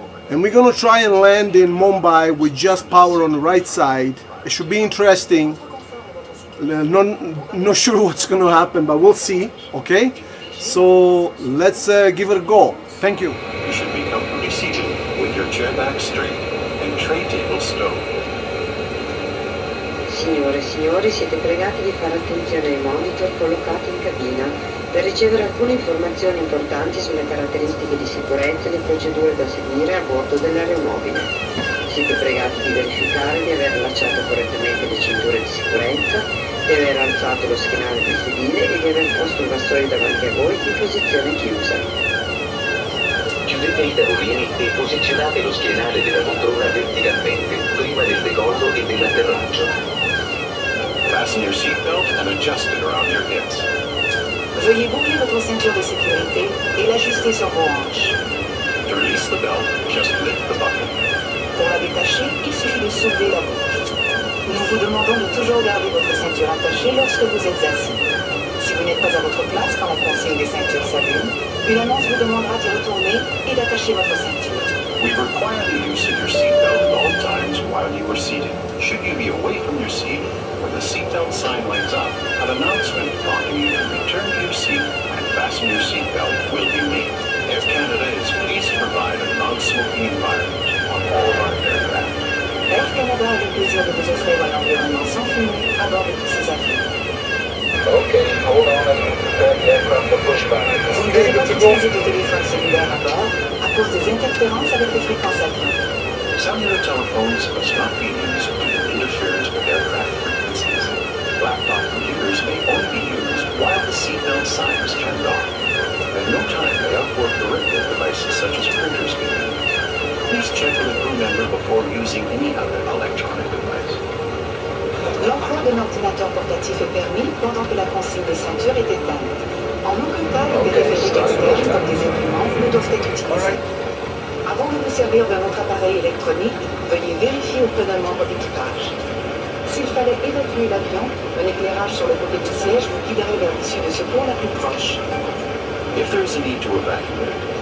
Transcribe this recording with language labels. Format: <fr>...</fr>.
<en>And we're going to try and land in Mumbai with just power on the right side. It should be interesting. Not sure what's going to happen, but we'll see, okay? So let's give it a go. Thank you. You should become fully seated with your chair back straight and tray table stowed.</en> <it>Signore e signori, siete pregati di fare attenzione ai monitor collocati in cabina per ricevere alcune informazioni importanti sulle caratteristiche di sicurezza e le procedure da seguire a bordo dell'aeromobile. Siete pregati di verificare di aver allacciato correttamente le cinture di sicurezza, di aver alzato lo schienale del sedile e di aver posto il vassoio davanti a voi in posizione chiusa. Chiudete i tavolini e posizionate lo schienale della poltrona verticalmente prima del decollo e dell'atterraggio.</it> <en>Fasten your seatbelt and adjust it around your hips.</en> <fr>Veuillez boucler votre ceinture de sécurité et l'ajuster sur vos hanches. To release the belt, just click the button. Pour la détacher, il suffit de soulever la bouche. Nous vous demandons de toujours garder votre ceinture attachée lorsque vous êtes assis. Si vous n'êtes pas à votre place quand la consigne des ceintures s'allume, une annonce vous demandera de retourner et d'attacher votre ceinture.</fr> <en>We require the use of your seatbelt at all times while you are seated. Should you be away from your seat, when the seatbelt sign lights up, an announcement prompting you to return to your seat and fasten your seatbelt will be made. Air Canada is pleased to provide a non-smoking environment. Air Canada a le plaisir de vous offrir un environnement sans fumée à bord de tous ses avions. Okay, hold on a minute. Vous</en> <fr>ne devez pas utiliser de téléphone cellulaire à bord à cause des interférences avec les fréquences avions.</fr> <en>Some of your telephones must not be used due to interference with aircraft frequencies. Laptop computers may only be used while the seatbelt sign is turned on. At no time may outboard directive devices such as printers be used. Please check with a crew member before using any other electronic device.</en> <fr>L'emploi d'un ordinateur portatif est permis pendant que la consigne des ceintures est éteinte. En aucun cas, les périphériques externes comme des imprimantes ne doivent être utilisés. Avant de vous servir d'un autre appareil électronique, veuillez vérifier auprès d'un membre d'équipage. S'il fallait évacuer l'avion, un éclairage sur le côté du siège vous guiderait vers l'issue de secours la plus proche.</fr> <en>If there is a need to evacuate,</en>